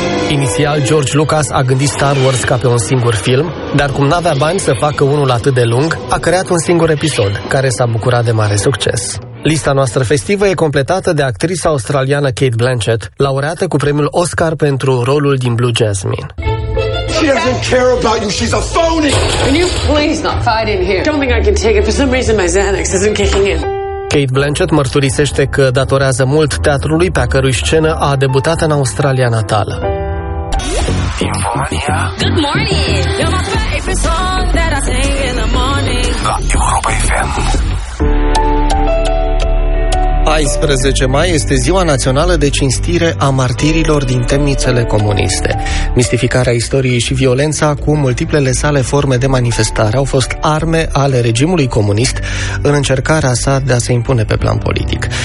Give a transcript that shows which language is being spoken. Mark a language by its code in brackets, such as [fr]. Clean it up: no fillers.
[ro] Inițial, George Lucas a gândit Star Wars ca pe un singur film, dar cum n-avea bani să facă unul atât de lung, a creat un singur episod, care s-a bucurat de mare succes. Lista noastră festivă e completată de actrița australiană Cate Blanchett, laureată cu premiul Oscar pentru rolul din Blue Jasmine. [en] She doesn't care about you. She's a phony. Can you please not fight in here? Don't think I can take it. For some reason, my Xanax isn't kicking in. [ro] Cate Blanchett mărturisește că datorează mult teatrului pe a cărui scenă a debutat în Australia natală. [en] Good morning. You're my favorite song that I sing in the morning. [ro] La Europa FM. 14 mai este ziua națională de cinstire a martirilor din temnițele comuniste. Mistificarea istoriei și violența cu multiplele sale forme de manifestare au fost arme ale regimului comunist în încercarea sa de a se impune pe plan politic.